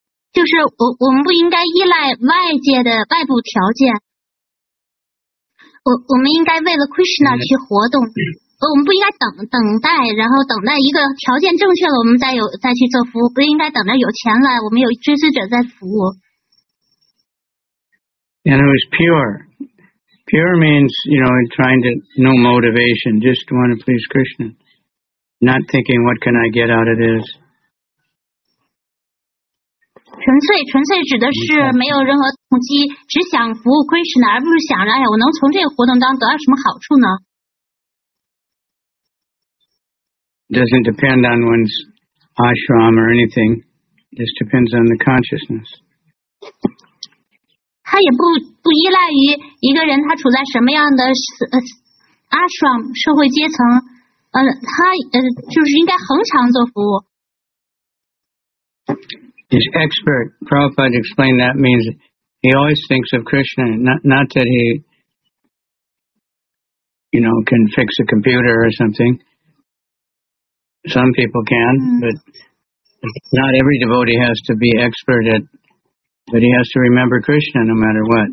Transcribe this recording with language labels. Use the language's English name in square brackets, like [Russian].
[Chinese] 就是我们不应该依赖外界的外部条件。我们应该为了 Krishna 去活动。我们不应该等待，然后等待一个条件正确了，我们再去做服务。不应该等着有钱来，我们有追随者在服务。 [English] And it was pure. Pure means, you know, trying to, no motivation, just want to please Krishna. Not thinking, what can I get out of this? [Chinese] 纯粹指的是没有任何动机，只想服务 Krishna， 而不是想着，哎呀，我能从这个活动当得到什么好处呢？ [English] Doesn't depend on one's ashram or anything. Just depends on the consciousness. [Chinese] 它也不依赖于一个人他处在什么样的ashram 社会阶层，他就是应该恒常做服务。 [English] He's expert. Prabhupada explained that means he always thinks of Krishna, not that he, you know, can fix a computer or something. Some people can, but not every devotee has to be expert at, but he has to remember Krishna no matter what.